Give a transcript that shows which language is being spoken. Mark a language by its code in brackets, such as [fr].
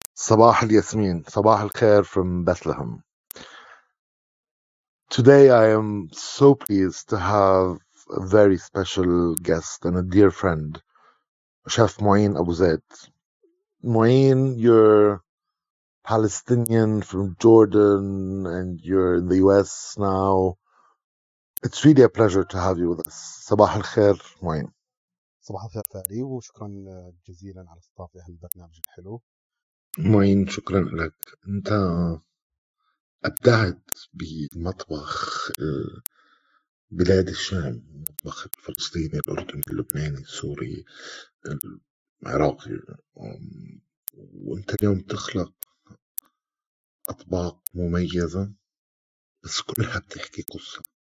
[ar] صباح الياسمين، صباح الخير [en] from Bethlehem. Today I am so pleased to have a very special guest and a dear friend, Chef Moin Abu Zayd. Moin, you're Palestinian from Jordan and you're in the US now. It's really a pleasure to have you with us. [ar] صباح الخير Moin. صباح الخير فادي وشكرا جزيلا على استضافة هالبرنامج الحلو. معين شكرا لك. انت ابدعت بمطبخ بلاد الشام، مطبخ الفلسطيني الاردني اللبناني السوري العراقي، وانت اليوم تخلق اطباق مميزه بس كلها بتحكي قصه.